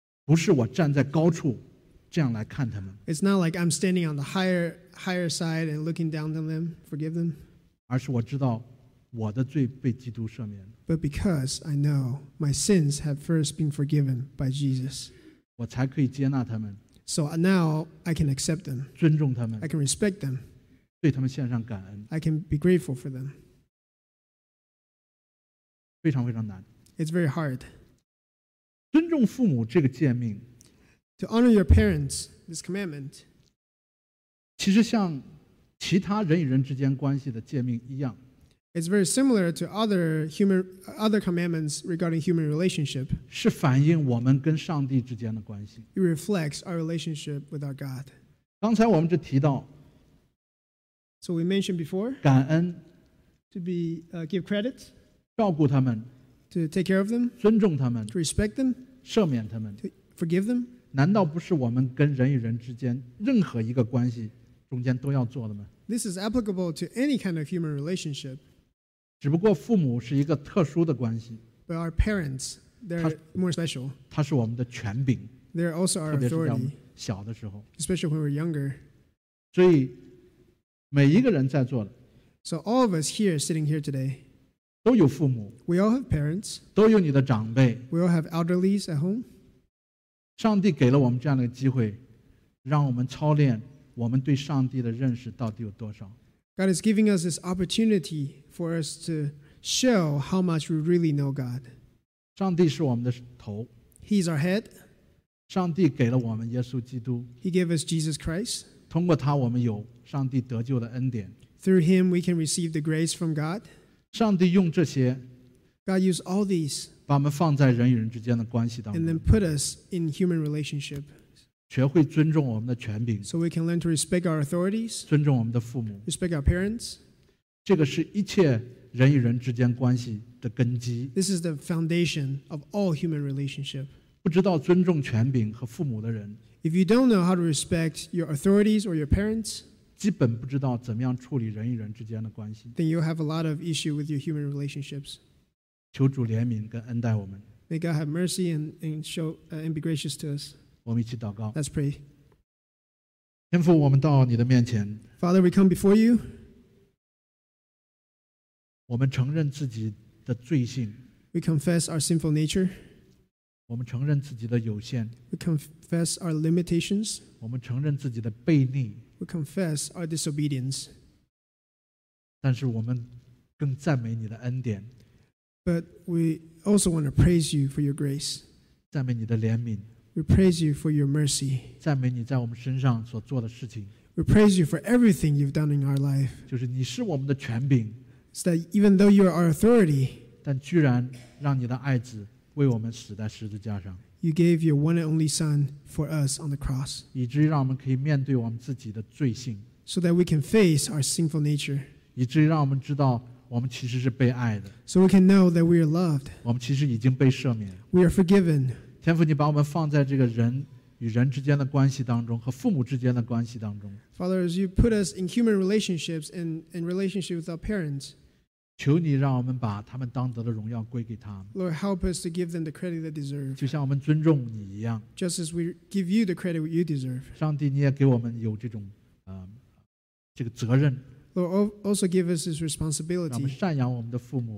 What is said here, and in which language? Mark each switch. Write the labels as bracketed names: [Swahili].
[Chinese] 不是我站在高处这样来看他们。 [English] It's not like I'm standing on the higher side and looking down on them, forgive them. [Chinese] 而是我知道我的罪被基督赦免。 [English] But because I know my sins have first been forgiven by Jesus. [Chinese] 我才可以接纳他们。 [English] So now I can accept them. [Chinese] 尊重他们。 [English] I can respect them. [Chinese] 对他们献上感恩。 [English] I can be grateful for them. [Chinese] 非常非常难。 [English] It's very hard. [Chinese] 尊重父母这个诫命。 [English] To honor your parents, this commandment. [Chinese] 其实像其他人与人之间关系的诫命一样。 [English] It's very similar to other commandments regarding human relationship. [Chinese] 是反映我们跟上帝之间的关系。 [English] It reflects our relationship with our God. [Chinese] 刚才我们就提到。 [English] So we mentioned before. [Chinese] 感恩。 [English] To be, give credit. [Chinese] 照顾他们。 [English] To take care of them. [Chinese] 尊重他们。 [English] To respect them. [Chinese] 赦免他们。 [English] To forgive them. [Chinese] 难道不是我们跟人与人之间任何一个关系中间都要做的吗？ [English] This is applicable to any kind of human relationship. [Chinese] 只不过父母是一个特殊的关系。 [English] But our parents, they're more special. [Chinese] 他是我们的权柄。 [English] They're also our authority. [Chinese] 特别是在我们小的时候。 [English] Especially when we're younger. [Chinese] 所以每一个人在座的。 [English] So all of us here sitting here today. [Chinese] 都有父母。 [English] We all have parents. [Chinese] 都有你的长辈。 [English] We all have elderlies at home. [Chinese] 上帝给了我们这样的机会，让我们操练我们对上帝的认识到底有多少。 [English] God is giving us this opportunity for us to show how much we really know God. [Chinese] 上帝是我们的头。 [English] He is our head. [Chinese] 上帝给了我们耶稣基督。 [English] He gave us Jesus Christ. [Chinese] 通过他，我们有上帝得救的恩典。 [English] Through him, we can receive the grace from God. [Chinese] 上帝用这些。 [English] God used all these. [Chinese] 把我们放在人与人之间的关系当中。 [English] And then put us in human relationship. [Chinese] 学会尊重我们的权柄。 [English] So we can learn to respect our authorities. [Chinese] 尊重我们的父母。 [English] Respect our parents. [Chinese] 这个是一切人与人之间关系的根基。 [English] This is the foundation of all human relationship. [Chinese] 不知道尊重权柄和父母的人。 [English] If you don't know how to respect your authorities or your parents. [Chinese] 基本不知道怎么样处理人与人之间的关系。 [English] Then you'll have a lot of issue with your human relationships. [Chinese] 求主怜悯跟恩待我们。 [English] May God have mercy and be gracious to us. [Chinese] 我们一起祷告。 [English] Let's pray. [Chinese] 天父，我们到你的面前。 [English] Father, we come before you. [Chinese] 我们承认自己的罪性。 [English] We confess our sinful nature. [Chinese] 我们承认自己的有限。 [English] We confess our limitations. [Chinese] 我们承认自己的悖逆。 [English] We confess our disobedience. [Chinese] 但是我们更赞美你的恩典。 [English] But we also want to praise you for your grace. [Chinese] 赞美你的怜悯。 [English] We praise you for your mercy. [Chinese] 赞美你在我们身上所做的事情。 [English] We praise you for everything you've done in our life. [Chinese] 就是你是我们的权柄。 [English] It's that even though you are our authority, [Chinese] 但居然让你的爱子为我们死在十字架上。 [English] You gave your one and only son for us on the cross. [Chinese] 以至于让我们可以面对我们自己的罪性。 [English] So that we can face our sinful nature. [Chinese] 以至于让我们知道我们其实是被爱的。 [English] So we can know that we are loved. [Chinese] 我们其实已经被赦免。 [English] We are forgiven. [Chinese] 天父，你把我们放在这个人与人之间的关系当中，和父母之间的关系当中。 [English] Father, as you put us in human relationships and in relationship with our parents, [Chinese] 求你让我们把他们当得的荣耀归给他们。 [English] Lord, help us to give them the credit they deserve. [Chinese] 就像我们尊重你一样。 [English] Just as we give you the credit you deserve. [Chinese] 上帝，你也给我们有这种，这个责任。 [English] Lord, also give us His responsibility. [Chinese] 让我们赡养我们的父母。